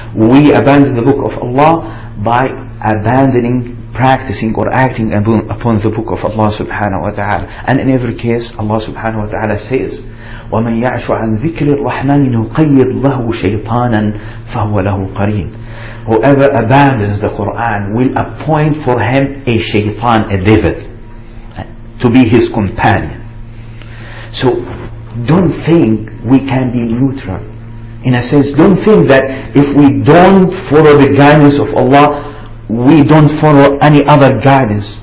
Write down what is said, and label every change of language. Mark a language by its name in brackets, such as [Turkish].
[English] We abandon the book of Allah by abandoning, practicing or acting upon the book of Allah subhanahu wa ta'ala. And in every case, Allah subhanahu wa ta'ala says, [Arabic] وَمَنْ يَعْشُ عَنْ ذِكْرِ الرَّحْمَنِ نُقَيِّضْ لَهُ شَيْطَانًا فَهُوَ لَهُ قَرِينٌ. [English] Whoever abandons the Quran will appoint for him a shaytan, a devil, to be his companion. So don't think we can be neutral. In a sense, don't think that if we don't follow the guidance of Allah, we don't follow any other guidance.